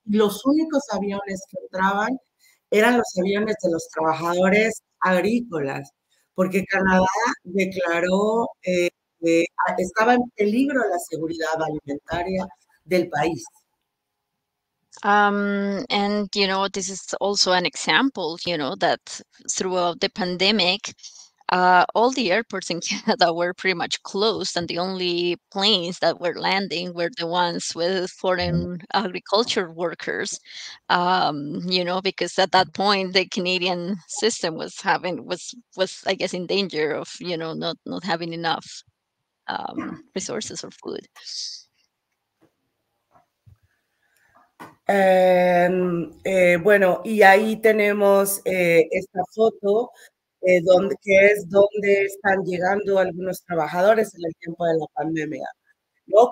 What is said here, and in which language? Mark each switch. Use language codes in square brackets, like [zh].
[es] Los únicos aviones que entraban eran los aviones de los trabajadores agrícolas, porque Canadá declaró que estaba en peligro la seguridad alimentaria del país. [en] And you know, this is also an example, you know, that throughout the pandemic, all the airports in Canada were pretty much closed, and the only planes that were landing were the ones with foreign agriculture workers, you know, because at that point the Canadian system was having was I guess in danger of, you know, not having enough resources or food. [es] Bueno, y ahí tenemos esta foto, donde, que es donde están llegando algunos trabajadores en el tiempo de la pandemia, ¿no?